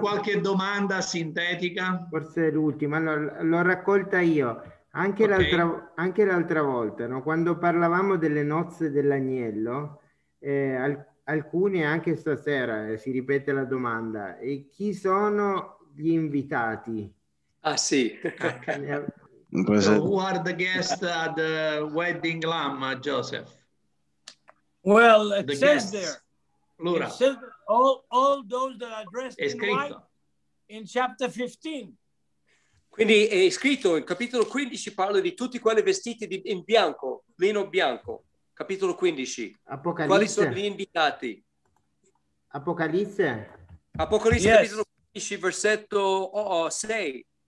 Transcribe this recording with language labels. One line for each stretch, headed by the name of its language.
Italian: Qualche domanda sintetica? Forse l'ultima. Allora, l'ho raccolta io. Anche, okay. l'altra volta, no? Quando parlavamo delle nozze dell'agnello, alcuni anche stasera si ripete la domanda. E chi sono gli invitati? Ah, sì.
English: So, who are the guests at the wedding lamb, Joseph? Well, it says guests. There.
Italian: Allora.
English: It says all those that are dressed in white in chapter 15.
Italian: Quindi è scritto in capitolo 15, parla di tutti quelli vestiti in bianco, lino bianco. Capitolo 15. Apocalisse. Quali sono gli invitati? Apocalisse yes. Capitolo 15, versetto 6.